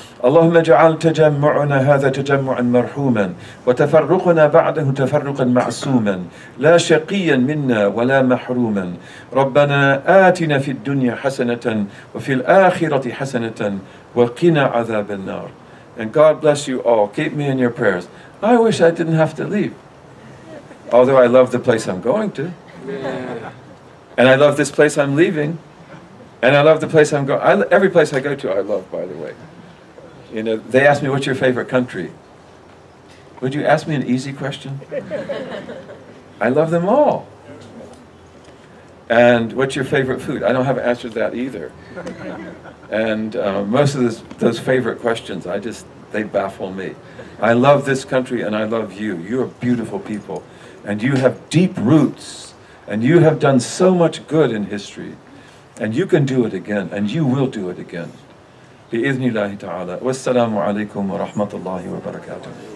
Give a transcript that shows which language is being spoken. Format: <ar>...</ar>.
<ar>اللهم اجعل تجمعنا هذا تجمعا مرحوما وتفرقنا بعده تفرقا معصوما لا شقيا منا ولا محروما. ربنا آتنا في الدنيا حسنة وفي الآخرة حسنة وقنا عذاب النار.</ar> <en>And God bless you all. Keep me in your prayers. I wish I didn't have to leave. Although I love the place I'm going to. And I love this place I'm leaving. And I love the place I'm going. Every place I go to I love, by the way. You know, they asked me, what's your favorite country? Would you ask me an easy question? I love them all. And what's your favorite food? I don't have an answer to that either. And most of those favorite questions, they baffle me. I love this country and I love you. You are beautiful people. And you have deep roots. And you have done so much good in history. And you can do it again.</en> <ar>And you will do it again. بإذن الله تعالى والسلام عليكم ورحمة الله وبركاته</ar>